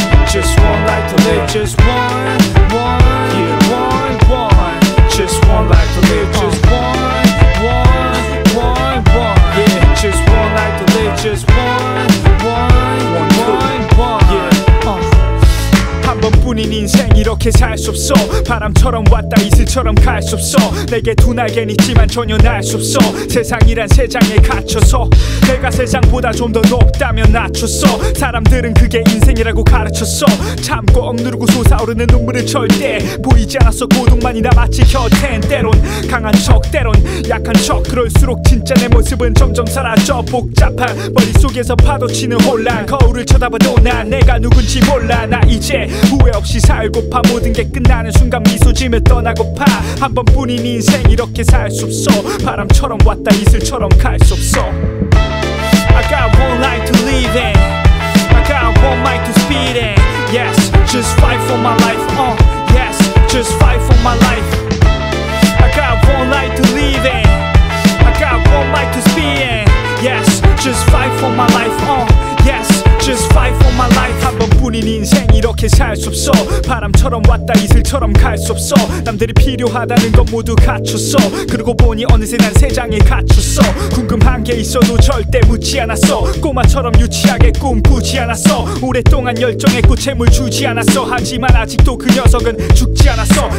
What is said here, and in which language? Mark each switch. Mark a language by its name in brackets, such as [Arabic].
[English] Just one life to live, just one, one, yeah. One, one. Just one life to live, just one, one, one, one. Yeah, just one life to live, just one, one, one, one, one. Yeah. [Korean] 한번뿐인 인생 이렇게 살 수 없어. 바람처럼 왔다 이슬처럼 갈 수 없어. 내게 두 날개는 있지만 전혀 날 수 없어. 세상이란 세 장에 갇혀서 내가 세상보다 좀 더 높다면 낮췄어. 사람들은 그게 인생이라고 가르쳤어. 참고 억누르고 솟아오르는 눈물을 절대 보이지 않았어. 고독만이 남았지 곁엔. 때론 강한 척 때론 약한 척. 그럴수록 진짜 내 모습은 점점 사라져. 복잡한 머릿속에서 파도치는 혼란. 거울을 쳐다봐도 난 내가 누군지 몰라. 나 이제 후회 없이 살고파. 모든 게 끝나는 순간 미소 지며 떠나고파. 한번뿐인 인생 이렇게 살 수 없어. 바람처럼 왔다 이슬처럼 갈 수 없어. [English] I got one life to live in. I got one mic to speed in. Yes, just fight for my life. Yes, just fight for my life. I got one life to live in. I got one mic to speed in. Yes, just fight for my life. Yes, just fight for my life. [Korean] 한번뿐인 인생 이렇게 살 수 없어. 바람처럼 왔다 이슬처럼 갈 수 없어. 남들이 필요하다는 건 모두 갖췄어. 그러고 보니 어느새 난 세 장에 갇혔어. 궁금한 게 있어도 절대 묻지 않았어. 꼬마처럼 유치하게 꿈꾸지 않았어. 오랫동안 열정에 꽃샘을 주지 않았어. 하지만 아직도 그 녀석은 죽지 않았어.